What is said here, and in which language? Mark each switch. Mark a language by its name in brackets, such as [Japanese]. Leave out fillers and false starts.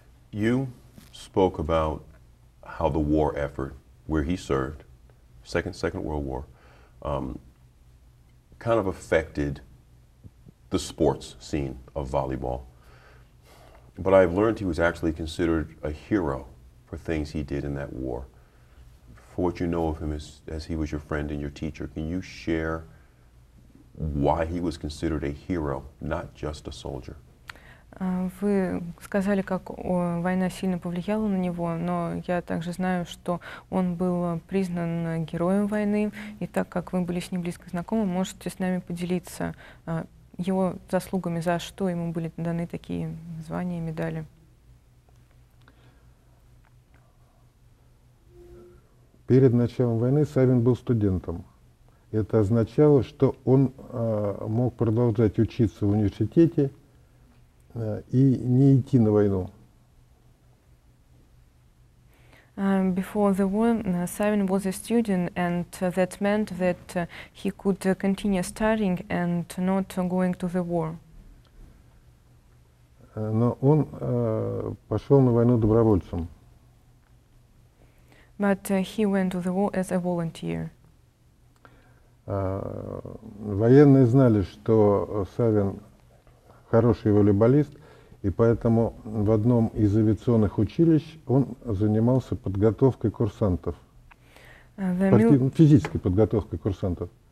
[English] You spoke about how the war effort, where he served, Second World War, kind of affected the sports scene of volleyball. But I've learned he was actually considered a hero for things he did in that war. For what you know of him as he was your friend and your teacher, can you share why he was considered a hero, not just a soldier? [Russian] Вы сказали, как война сильно повлияла на него, но я также знаю, что он был признан героем войны. И так как вы были с ним близко знакомы, можете с нами поделиться его заслугами, за что ему были даны такие звания и медали. Перед началом войны Савин был студентом. Это означало, что он мог продолжать учиться в университете и не идти на войну. [English] Before the war, Simon was a student, and that meant that he could continue studying and not going to the war. [Russian] Но он пошел на войну добровольцем. [English] But he went to the war as a volunteer. [Russian] Военные знали, что Савин хороший волейболист, и поэтому в одном из авиационных училищ он занимался подготовкой курсантов, физической подготовкой курсантов.